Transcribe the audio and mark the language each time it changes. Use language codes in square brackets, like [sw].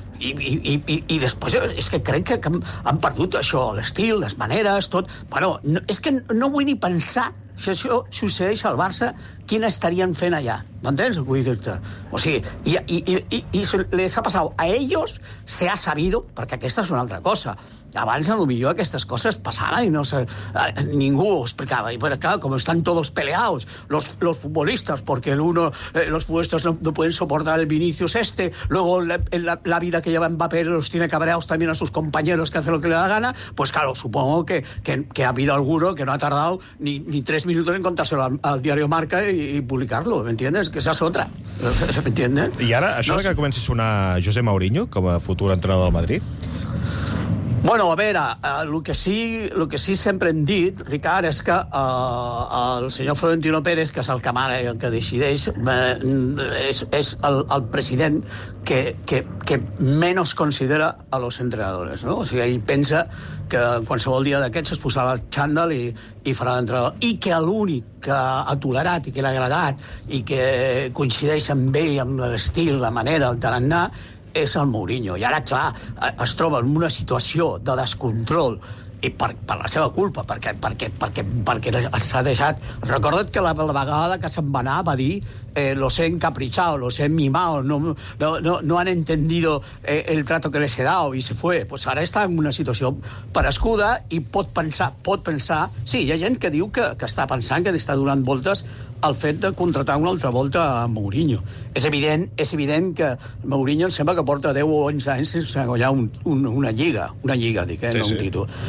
[ca] I després, és que crec que han perdut això, l'estil, les maneres, tot. Bueno, no, és que no vull ni pensar, si això succeeix al Barça, quin estarien fent allà. M'entens? Vull dir-te. O sigui, i les ha passat a ells, [es] se ha sabido, [ca] perquè aquesta és una altra cosa. Abans, potser, aquestes coses passaven i ningú ho explicava. I, però, clar, com estan tots peleats, [es] los futbolistes, [ca] perquè los futbolistes no poden suportar el Vinicius este, [es] luego la vida que lleva Mbappé los tiene cabreados también a sus compañeros que hacen lo que le da gana, pues, claro, supongo que ha habido alguno que no ha tardado ni 3 minutos en contárselo al diario Marca y publicarlo, ¿me entiendes? Que esa es otra, ¿me entiendes? [ca] I ara, això no, que comenci a sonar José Mourinho com a futur entrenador del Madrid... Bueno, a veure, el que sí sempre hem dit, Ricard, és que el senyor Florentino Pérez, que és el que mana i el que decideix, és el president que menys considera [es] a los entrenadores, [ca] no? O sigui, ell pensa que qualsevol dia d'aquests es posarà el xandall i farà l'entrenador. I que l'únic que ha tolerat i que l'ha agradat i que coincideix amb ell, amb l'estil, la manera, el tarannà, és el Mourinho. I ara, clar, es troba en una situació de descontrol i per la seva culpa, perquè s'ha deixat... Recorda't que la vegada que se'n va anar va dir [es] los he encaprichado, los he mimado, no han entendido el trato que les he dado y se fue. [ca] Pues ara està en una situació parescuda i pot pensar... Sí, hi ha gent que diu que està pensant, que li està donant voltes el fet de contratar una altra volta a Mourinho. És evident que Mourinho em sembla que porta 10 o 11 anys sense guanyar una lliga, dic, sí, no sí. Un títol.